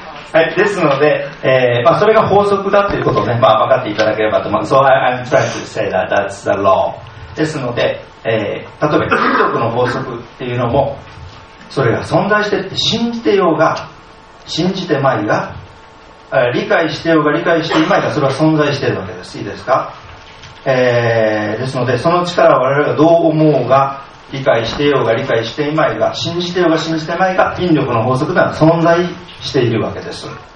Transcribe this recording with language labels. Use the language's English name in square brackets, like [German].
[Japanese] はい、ですので、まあ、それが法則だということを、ね、まあ、分かっていただければと思います。 [English] So I'm trying to say that that's the law. [Japanese] ですので、例えば金属の法則っていうのも、それが存在してって信じてようが、信じてまいが、理解してようが理解していまいが、それは存在しているわけです。いいですか。ですので、その力は我々がどう思うが、理解してようが理解していまいが、信じてようが信じてまいが、引力の法則では存在しているわけです。